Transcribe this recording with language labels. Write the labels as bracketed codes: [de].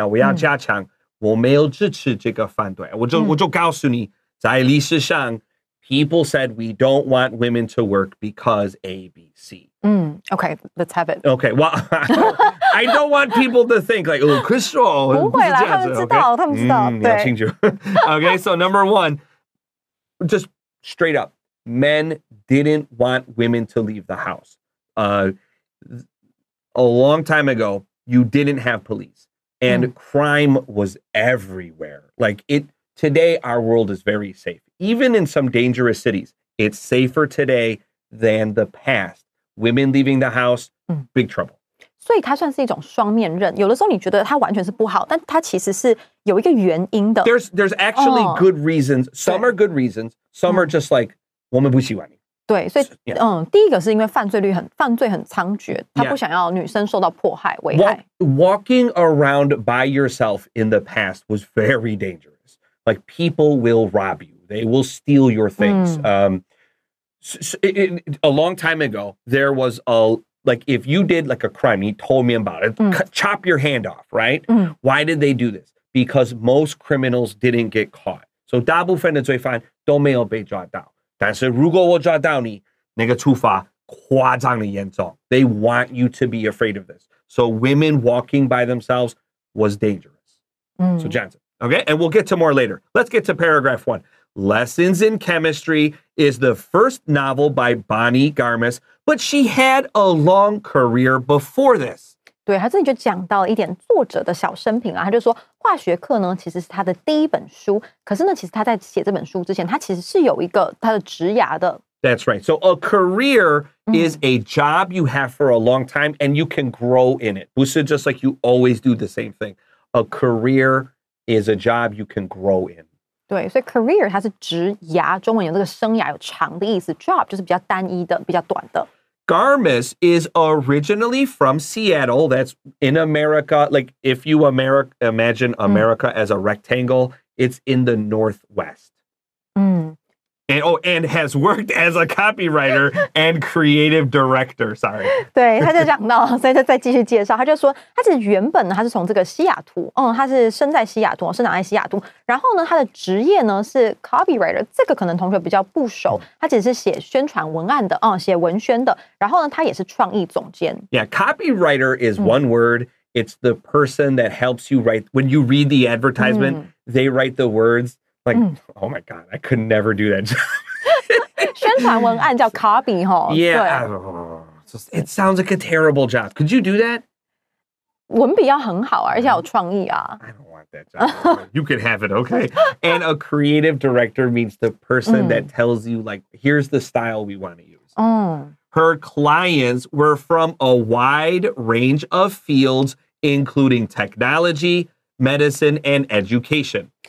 [en] Now, we are Jiachang. [zh] 我没有支持这个反对。我就告诉你，在历史上 [en] people said we don't want women to work because A, B, C. Okay, let's have it. Okay, well, I don't want people to think like, oh, Chris, oh, [zh] 不会啦，他们知道，他们知道，对。 [en] Okay, so number one, just straight up, men didn't want women to leave the house. A long time ago, you didn't have police. And crime was everywhere. Like, today our world is very safe. Even in some dangerous cities, it's safer today than the past. Women leaving the house, big trouble. [zh] 所以它算是一种双面刃。有的时候你觉得它完全是不好，但它其实是有一个原因的。 [en] There's actually good reasons. Some are good reasons. Some are just like, [zh] 我们不喜欢你。对，所以第一个是因为犯罪很猖獗，他不想要女生受到迫害危害。 [en] Walking around by yourself in the past was very dangerous. Like people will rob you, they will steal your things. A long time ago, there was if you did like a crime, you told me about it, chop your hand off, right? Why did they do this? Because most criminals didn't get caught. [zh] So 大部分的罪犯都没有被抓到。但是如果我抓到你，那个处罚夸张的严重。 [en] They want you to be afraid of this. So women walking by themselves was dangerous. So Johnson, okay? And we'll get to more later. Let's get to paragraph one. Lessons in Chemistry is the first novel by Bonnie Garmus, but she had a long career before this. [zh] 对，他这里就讲到了一点作者的小生平啊，他就说化学课呢其实是他的第一本书，可是呢，其实他在写这本书之前，他其实是有一个他的职涯的。 [en] That's right. So a career is a job you have for a long time and you can grow in it. [zh] 不是 [en] just like you always do the same thing. A career is a job you can grow in. [zh] 对，所以 career 它是职涯，中文有这个生涯有长的意思。 Job 就是比较单一的，比较短的。 [en] Garmus is originally from Seattle. That's in America. Like if you imagine America as a rectangle, it's in the northwest. And has worked as a copywriter and creative director. Sorry. [zh] 对，他就讲到，所以他再继续介绍，他就说，他其实原本呢，他是从这个西雅图，他是生在西雅图，生长在西雅图。然后呢，他的职业呢是 copywriter， 这个可能同学比较不熟，他只是写宣传文案的，写文宣的。然后呢，他也是创意总监。 [en] Yeah, copywriter is one word. It's the person that helps you write. When you read the advertisement, they write the words. Like, oh my God, I could never do that job. [zh] 宣传文案叫 copy, 齁。 [en] Yeah, it sounds like a terrible job. Could you do that? [zh] 文笔要很好啊，而且有创意啊。 [en] I don't want that job. You can have it, okay? And a creative director means the person that tells you, like, here's the style we want to use. Her clients were from a wide range of fields, including technology, medicine, and education.